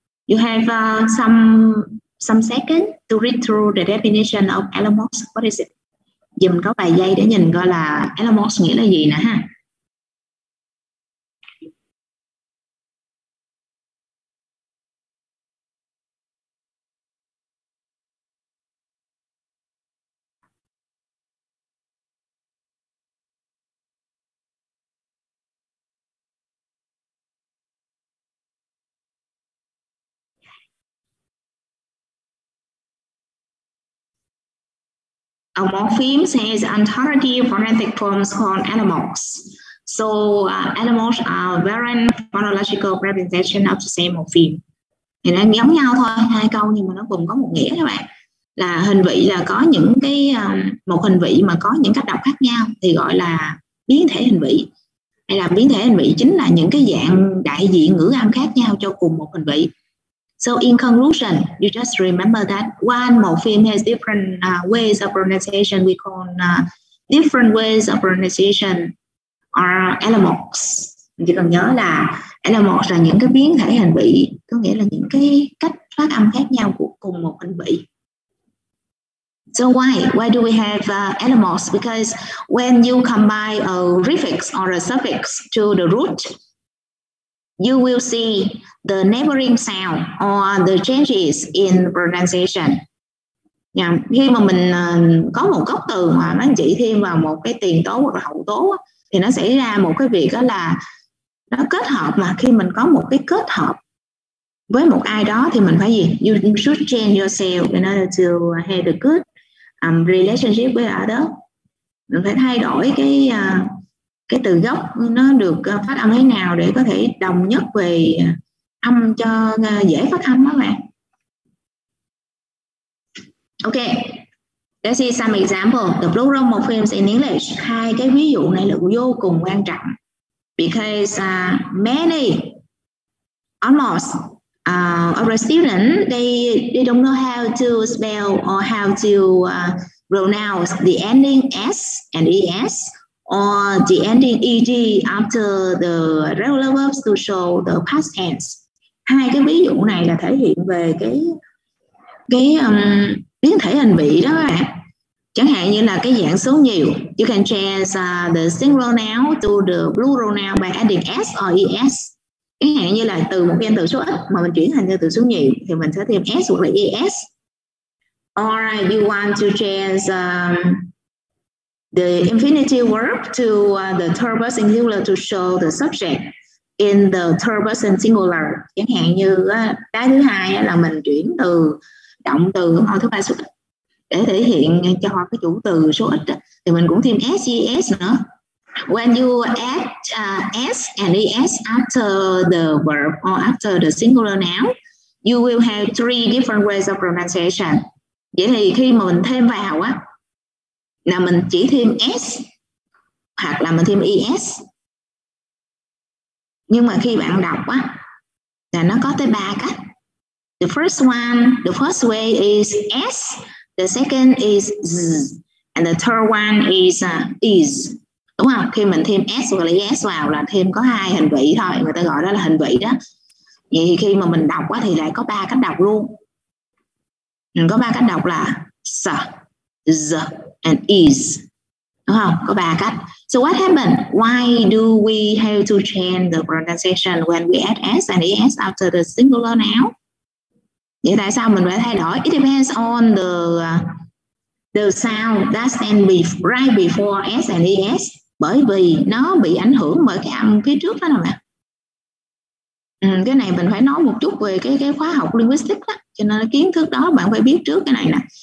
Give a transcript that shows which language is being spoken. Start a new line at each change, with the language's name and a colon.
English: You have some second to read through the definition of allomox. What is it?
Vietnamese: Giờ mình có vài giây để nhìn coi là allomox nghĩa là gì nè ha.
English: A morpheme says entirety phonetic forms called allomorphs. So allomorphs are variant phonological representation of the same morpheme.
Vietnamese: Thì nó giống nhau thôi, hai câu nhưng mà nó cùng có một nghĩa các bạn. Là hình vị là có những cái một hình vị mà có những cách đọc khác nhau thì gọi là biến thể hình vị. Hay là biến thể hình vị chính là những cái dạng đại diện ngữ âm khác nhau cho cùng một hình vị.
English: So in conclusion, you just remember that one morpheme has different ways of pronunciation. We call different ways of pronunciation are allomorphs.
Vietnamese: Chỉ cần nhớ là allomorphs là những cái biến thể hình vị, có nghĩa là những cái cách phát âm khác nhau của cùng một hình vị.
English: So why do we have allomorphs? Because when you combine a prefix or a suffix to the root, you will see the neighboring sound or the changes in pronunciation. Yeah.
Vietnamese: Khi mà mình có một gốc từ mà nó chỉ thêm vào một cái tiền tố hoặc là hậu tố thì nó xảy ra một cái việc đó là nó kết hợp, mà khi mình có một cái kết hợp với một ai đó thì mình phải gì?
English: You should change yourself in order to have a good relationship with others.
Vietnamese: Mình phải thay đổi cái từ gốc nó được phát âm thế nào để có thể đồng nhất về âm cho dễ phát âm đó mà.
English: Ok, let's see some example. The plural morphemes in English.
Vietnamese: Hai cái ví dụ này là vô cùng quan trọng.
English: Because many, almost, of the students, they don't know how to spell or how to pronounce the ending S and ES or the ending ed after the regular verbs to show the past tense.
Vietnamese: Hai cái ví dụ này là thể hiện về cái biến thể hình vị đó ạ. Chẳng hạn như là cái dạng số nhiều,
English: you can change the singular noun to the plural noun by adding s or es.
Vietnamese: Chẳng hạn như là từ một cái từ số ít mà mình chuyển thành từ số nhiều thì mình sẽ thêm s hoặc là es.
English: Or you want to change the infinitive verb to the third person singular to show the subject in the third person singular.
Vietnamese: Chẳng hạn như cái thứ hai là mình chuyển từ động từ hoặc thứ ba số ít để thể hiện cho cái chủ từ số ít thì mình cũng thêm s, es nữa.
English: When you add s and es after the verb or after the singular noun, you will have three different ways of pronunciation.
Vietnamese: Vậy thì khi mà mình thêm vào á, là mình chỉ thêm s hoặc là mình thêm es. Nhưng mà khi bạn đọc á, là nó có tới ba cách.
English: The first one, the first way is s, the second is z, and the third one is is.
Vietnamese: Đúng không? Khi mình thêm s và es vào là thêm có hai hình vị thôi, người ta gọi đó là hình vị đó. Vậy thì khi mà mình đọc á, thì lại có ba cách đọc luôn. Mình có ba cách đọc là s, z, and is. Đúng không? Có ba cách.
English: So what happened? Why do we have to change the pronunciation when we add s and es after the singular noun?
Vietnamese: Vậy tại sao mình phải thay đổi?
English: It depends on the sound that stand right before s and es,
Vietnamese: bởi vì nó bị ảnh hưởng bởi cái âm phía trước đó nè bạn. Cái này mình phải nói một chút về cái khóa học linguistics đó, cho nên kiến thức đó bạn phải biết trước cái này nè.